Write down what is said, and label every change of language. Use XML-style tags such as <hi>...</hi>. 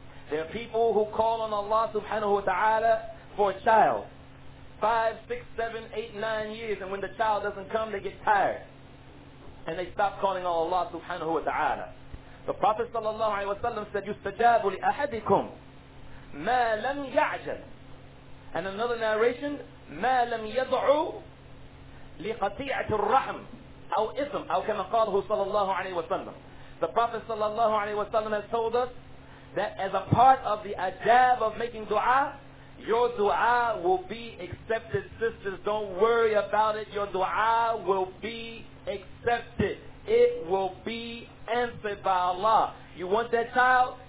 <en>There are people who call on Allah subhanahu wa ta'ala for a child. 5, 6, 7, 8, 9 years, and when the child doesn't come, they get tired. And they stop calling on Allah subhanahu wa ta'ala. The Prophet sallallahu alayhi wa sallam said, يُسْتَجَابُ لِأَحَدِكُمْ مَا لَمْ يَعْجَلْ.</en> <ar>And another narration, مَا لَمْ يَضْعُ لِقَطِيعَةِ الرَّحْمِ أَوْ إِثْمْ أَوْ كَمَا قَالَهُ sallallahu alayhi wa sallam.</ar> <en>The Prophet sallallahu alayhi wa sallam has told us that as a part of the adab of making dua, your dua will be accepted, sisters. Don't worry about it. Your dua will be accepted. It will be answered by Allah. You want that child?</en>